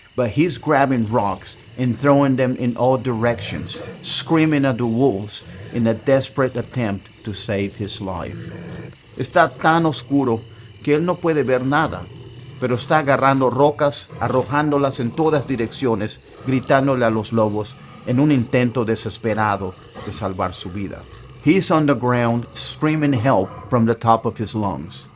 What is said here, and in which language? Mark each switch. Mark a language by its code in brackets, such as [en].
[en] But he's grabbing rocks and throwing them in all directions, screaming at the wolves in a desperate attempt to save his life. [es] Está tan oscuro que él no puede ver nada, pero está agarrando rocas, arrojándolas en todas direcciones, gritándole a los lobos en un intento desesperado de salvar su vida. [en] He's on the ground screaming help from the top of his lungs.